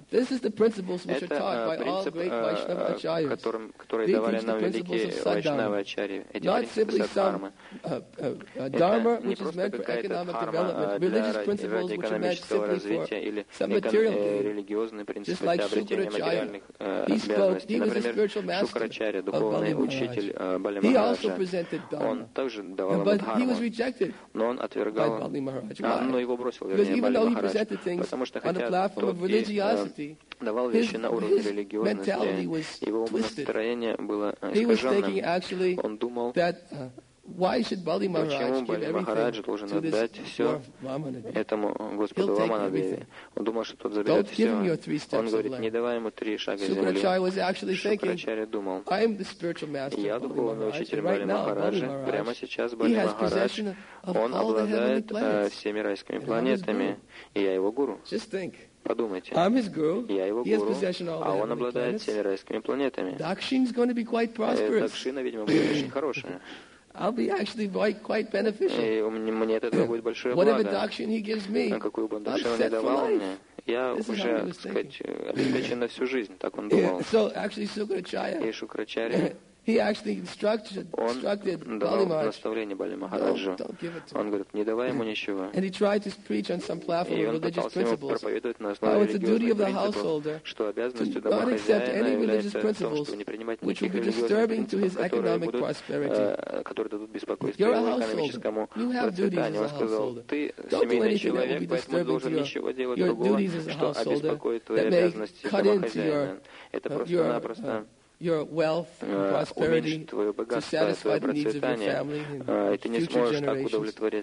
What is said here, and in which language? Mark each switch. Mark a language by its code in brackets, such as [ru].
[en] This is the principles which are taught by all great Vaishnava Acharyas. They teach the principles of Saddharma. Not simply some dharma which is meant for economic development, religious principles which are meant simply for some material gain, just like Shukracharya. He spoke, he was a spiritual Шукрачарья, [ru] духовный учитель Бали Махараджа, он также давал ему дхарму, но он отвергал, но его бросил, вернее, Бали Махарадж, потому что хотя тот давал вещи на уровне религиозности, его настроение было искаженным, он думал, [en] why should Bali Maharaj give everything to this Vamanadevi? [ru] Он думал, что тот заберет все. [en] Give him your three steps [ru] он говорит, не давай ему три шага земли. [en] Шукрачарья was actually thinking, I am the spiritual master of Bali Maharaj. And right now, Bali Maharaj, he has possession of all the heavenly planets. And [ru] планетами, и я его гуру. [en] Just think. [ru] Подумайте, [en] I'm his guru. [ru] Я его [en] he [ru] гуру, [en] has possession of all [ru] а он обладает всеми райскими планетами. [en] Dakshina's going to be quite prosperous. [ru] Дакшина, видимо, будет очень хорошая. [en] I'll be actually quite beneficial. [ru] Мне от этого будет большое благо. [en] Whatever doctrine he gives me, [ru] какую бы он доктрину не давал мне, я уже, так сказать, обеспечен на всю жизнь, так он думал. [en] So actually, Shukracharya. [ru] И Шукрачарья. [en] He actually instructed Bali Maharaj. [ru] Он говорит, не давай ему ничего. [en] And he tried to preach on some platform of religious principles. How it's the duty of the householder to not accept any religious principles which would be disturbing to his economic prosperity. You're a householder. You have duties as a householder. Don't do anything that would be disturbing to your duties as a householder that may cut into your wealth and prosperity to satisfy the needs of your family and future generations.